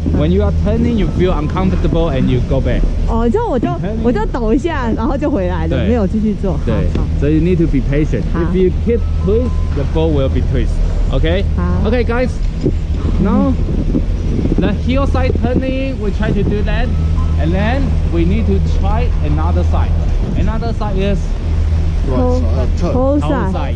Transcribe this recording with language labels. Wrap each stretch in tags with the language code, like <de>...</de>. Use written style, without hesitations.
<en>When you are turning, you feel uncomfortable and you go back.</en> <zh>哦，你知道我就抖一下，然后就回来了，没有继续做。对，所以</zh> <en>you need to be patient. If you keep twist, the ball will be twist. Okay. Okay, guys. Now the hillside turning, we try to do that, and then we need to try another side. Another side is whole side.</en>